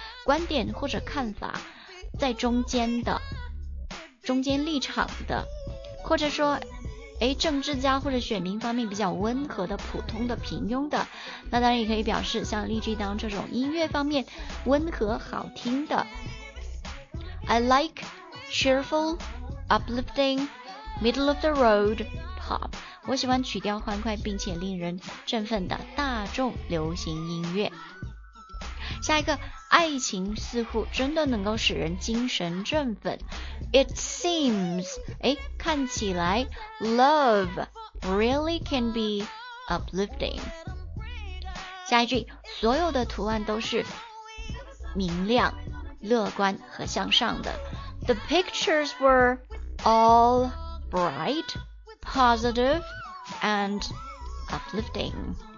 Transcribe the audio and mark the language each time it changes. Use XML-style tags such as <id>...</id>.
<zh>观点或者看法，在中间的，中间立场的，或者说哎，政治家或者选民方面比较温和的、普通的、平庸的。那当然也可以表示像例句当这种音乐方面温和好听的。</zh> <en>I like cheerful, uplifting, middle of the road pop。</en> <zh>我喜欢曲调欢快并且令人振奋的大众流行音乐。下一个，爱情似乎真的能够使人精神振奋。</zh> <en>It seems,</en> <zh>看起来</zh> <en>love really can be uplifting.</en> <zh>下一句，所有的图案都是明亮、乐观和向上的。</zh> <en>The pictures were all bright, positive, and uplifting.</en>